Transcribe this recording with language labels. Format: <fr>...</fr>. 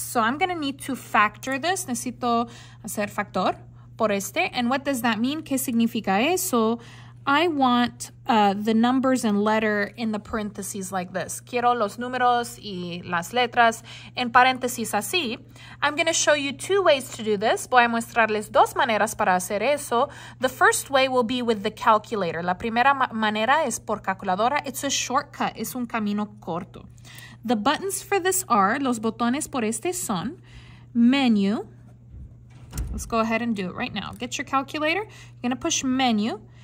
<en>So I'm going to need to factor this.</en> <es>Necesito hacer factor por este.</es> <en>And what does that mean?</en> <es>¿Qué significa eso?</es> <en>I want the numbers and letter in the parentheses like this.</en> <es>Quiero los números y las letras en paréntesis así.</es> <en>I'm going to show you two ways to do this.</en> <es>Voy a mostrarles dos maneras para hacer eso.</es> <en>The first way will be with the calculator.</en> <es>La primera manera es por calculadora.</es> <en>It's a shortcut.</en> <es>Es un camino corto.</es> <en>The buttons for this are,</en> <es>los botones por este son, menu.</es> <en>Let's go ahead and do it right now. Get your calculator. You're going to push menu.</en>